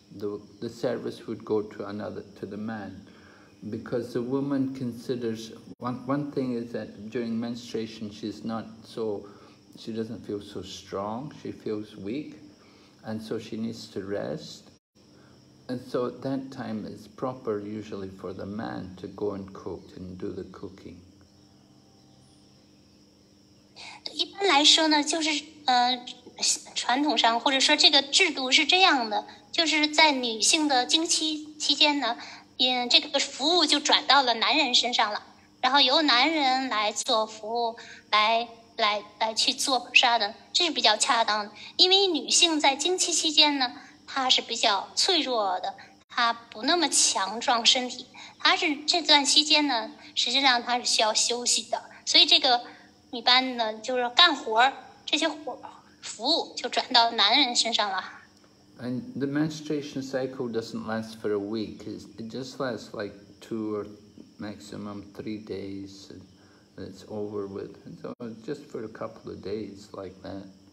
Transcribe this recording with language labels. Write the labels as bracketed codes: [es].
[en] The service would go to another, to the man, because the woman considers, one thing is that during menstruation, she doesn't feel so strong, she feels weak, and so she needs to rest. And so at that time, it's proper usually for the man to go and cook and do the cooking. [zh] 一般来说呢，就是传统上或者说这个制度是这样的，就是在女性的经期期间呢，这个服务就转到了男人身上了，然后由男人来做服务，来去做菩萨的，这是比较恰当的，因为女性在经期期间呢。她是比较脆弱的，她不那么强壮身体，她是这段期间呢，实际上她是需要休息的，所以这个一般呢就是干活，这些活服务就转到男人身上了。 [en] And the menstruation cycle doesn't last for a week, it just lasts like two or maximum 3 days and it's over with, and so just for a couple of days like that.